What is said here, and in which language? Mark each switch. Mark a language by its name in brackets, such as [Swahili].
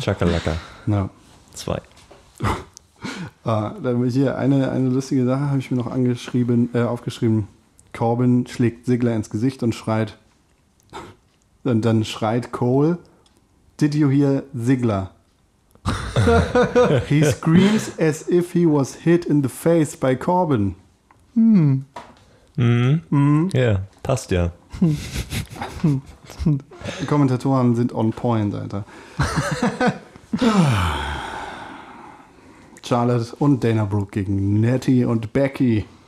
[German] Chakalaka. Ja. Zwei. Dann hier eine lustige Sache habe ich mir noch aufgeschrieben. Corbin schlägt Ziggler ins Gesicht und schreit Cole, [English] Did you hear Ziggler? He screams as if he was hit in the face by Corbin. [German] Ja, yeah, passt ja. Die Kommentatoren sind [English] on point, [German] Alter. Charlotte und Dana Brooke gegen Natty und Becky.